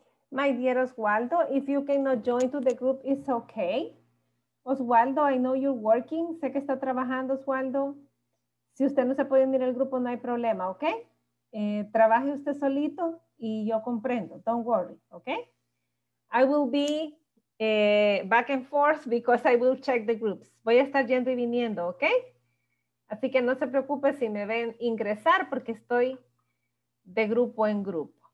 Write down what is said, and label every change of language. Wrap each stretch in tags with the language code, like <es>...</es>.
<en>My dear Oswaldo, if you cannot join to the group, it's okay. Oswaldo, I know you're working.</en> <es>Sé que está trabajando,</es> <en>Oswaldo.</en> <es>Si usted no se puede unir al grupo, no hay problema, ¿ok? Trabaje usted solito y yo comprendo.</es> <en>Don't worry,</en> <es>¿ok?</es> <en>I will be back and forth because I will check the groups.</en> <es>Voy a estar yendo y viniendo, ¿ok? Así que no se preocupe si me ven ingresar porque estoy de grupo en grupo.</es>